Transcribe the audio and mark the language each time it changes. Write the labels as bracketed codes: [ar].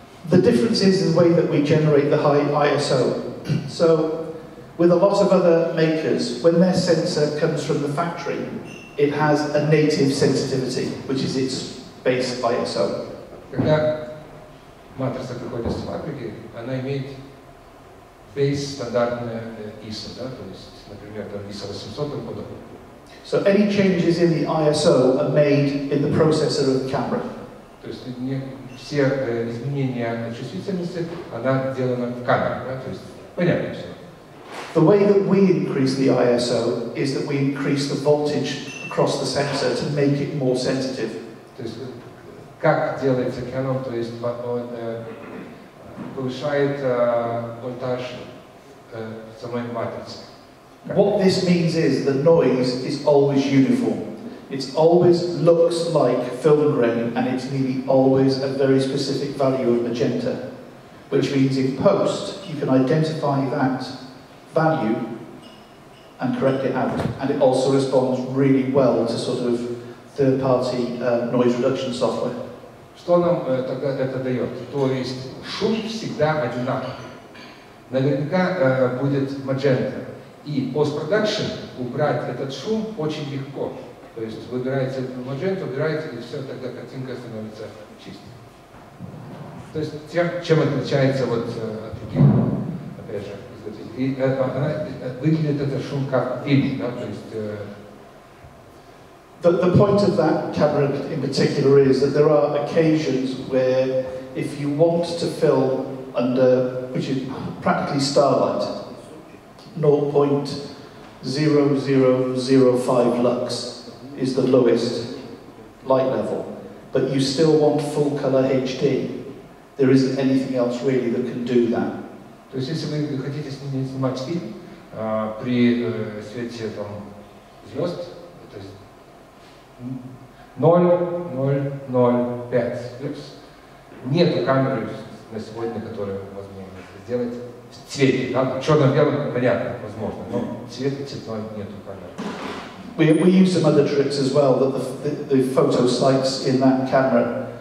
[en] The difference is the way that we generate the high ISO. So, with a lot of other makers, when their sensor comes from the factory, it has a native sensitivity, which is its base ISO. [ru] Когда матрица приходит с фабрики, она имеет base стандартное ISO, да? То есть, например, там ISO 800 и подобное. [en] So any changes in the ISO are made in the processor of the camera. [ru] То есть все изменения чувствительности, она сделана в камере, да? То есть понятно все. [en] The way that we increase the ISO is that we increase the voltage across the sensor to make it more sensitive. [ru] То есть как делается Canon, то есть он повышает вольтаж самой матрицы. [en] What this means is the noise is always uniform. It always looks like film grain, and it's nearly always a very specific value of magenta. Which means in post, you can identify that value and correct it out. And it also responds really well to sort of third-party noise reduction software. [ru] Что нам тогда это дает? То есть шум всегда одинаковый. Наверняка будет маджента. И постпродакшн убрать этот шум очень легко. То есть выбираете маджента, убираете, и все, тогда картинка становится чистой. То есть тем, чем отличается вот от других, опять же, изготовителей. И выглядит этот шум как фильм, да, то есть. [en] The point of that camera in particular is that there are occasions where if you want to film under, which is practically starlight, 0.0005 lux is the lowest light level, but you still want full color HD, there isn't anything else really that can do that. [ru] То есть если вы хотите снимать фильм при свете там звезд, 0.005 лукс. Нету камеры на сегодня, которая возможно сделать в цвете, да? Черно-белом понятно, возможно, но цветной нету камеры. [en] We use some other tricks as well, that the photo sites in that camera